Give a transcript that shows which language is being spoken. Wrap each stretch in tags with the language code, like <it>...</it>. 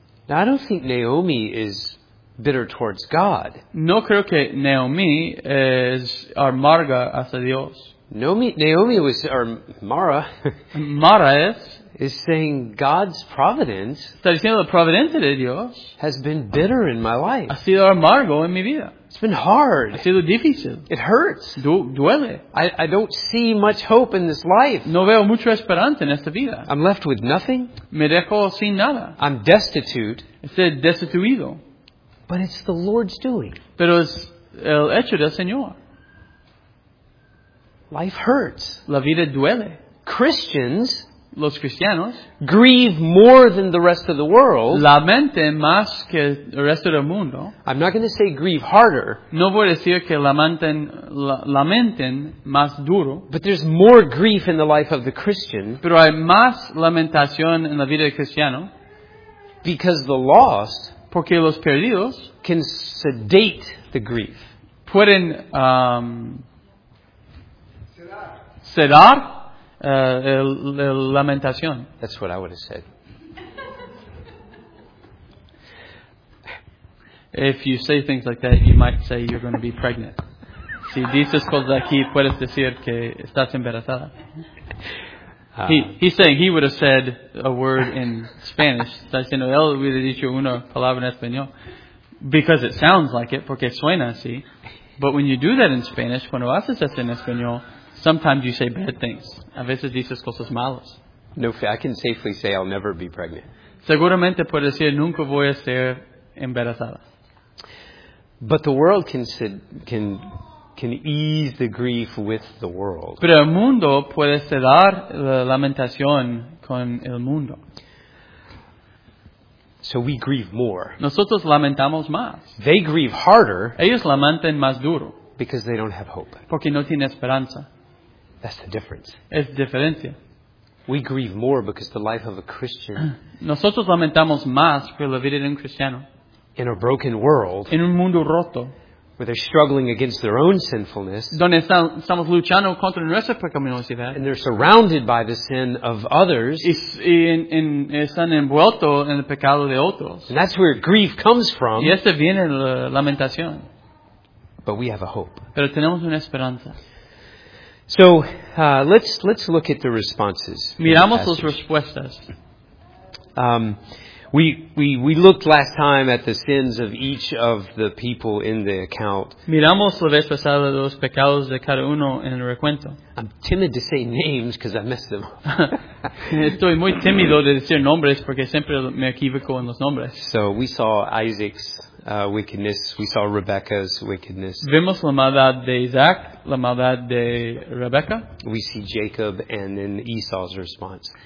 <en>Now, I don't think Naomi is bitter towards God.</en> <es>No creo que Naomi es amarga hacia Dios.</es> <en>Naomi was, or Mara.</en> <es>Mara es.</es> <en>is saying God's providence,</en> <es>está diciendo la providencia de Dios,</es> <en>has been bitter in my life.</en> <es>Ha sido amargo en mi vida.</es> <en>It's been hard.</en> <es>Ha sido difícil.</es> <en>It hurts.</en> <es>Duele.</es> <en>I don't see much hope in this life.</en> <es>No veo mucha esperanza en esta vida.</es> <en>I'm left with nothing.</en> <es>Me dejo sin nada.</es> <en>I'm destitute.</en> <es>Estoy destituido.</es> <en>But it's the Lord's doing.</en> <es>Pero es el hecho del Señor.</es> <en>Life hurts.</en> <es>La vida duele.</es> <en>Christians,</en> <es>los cristianos,</es> <en>grieve more than the rest of the world.</en> <es>Lamenten más que el resto del mundo.</es> <en>I'm not going to say grieve harder.</en> <es>No voy a decir que lamenten más duro.</es> <en>But there's more grief in the life of the Christian.</en> <es>Pero hay más lamentación en la vida del cristiano.</es> <en>Because the lost,</en> <es>porque los perdidos,</es> <en>can sedate the grief.</en> <es>Pueden sedar la lamentación.</es> <en>That's what I would have said. If you say things like that, you might say you're going to be pregnant.</en> <es>Si dices cosas aquí, puedes decir que estás embarazada.</es> <en>He's saying he would have said a word in Spanish.</en> <es>Está diciendo, él hubiera dicho una palabra en español.</es> <en>Because it sounds like it,</en> <es>porque suena así.</es> <en>But when you do that in Spanish,</en> <es>cuando haces esto en español,</es> <en>sometimes you say bad things.</en> <es>A veces dices cosas malas.</es> <en>No, I can safely say I'll never be pregnant.</en> <es>Seguramente puedo decir nunca voy a ser embarazada.</es> <en>But the world can ease the grief with the world.</en> <es>Pero el mundo puede sedar la lamentación con el mundo.</es> <en>So we grieve more.</en> <es>Nosotros lamentamos más.</es> <en>They grieve harder.</en> <es>Ellos lamentan más duro.</es> <en>Because they don't have hope.</en> <es>Porque no tienen esperanza.</es> <en>That's the difference.</en> <es>Es diferencia.</es> <en>We grieve more because the life of a Christian.</en> <es>Nosotros lamentamos más por la vida de un cristiano.</es> <en>In a broken world.</en> <es>En un mundo roto.</es> <en>Where they're struggling against their own sinfulness.</en> <es>Donde estamos luchando contra nuestra pecaminosidad.</es> <en>And they're surrounded by the sin of others.</en> <es>Y están envueltos en el pecado de otros.</es> <en>And that's where grief comes from.</en> <es>Y este viene la lamentación.</es> <en>But we have a hope.</en> <es>Pero tenemos una esperanza.</es> <en>So let's look at the responses.</en> <es>Miramos las respuestas.</es> <en>We looked last time at the sins of each of the people in the account.</en> <es>Miramos la vez pasada los pecados de cada uno en el recuento.</es> <en>I'm timid to say names because I mess them up.</en> <es>Estoy muy tímido de decir nombres porque siempre me equivoco en los nombres.</es> <en>So we saw Isaac's wickedness. We saw Rebecca's wickedness.</en> <es>Vimos la maldad de Isaac, la maldad de Rebecca.</es> <en>We see Jacob and then Esau's response.</en>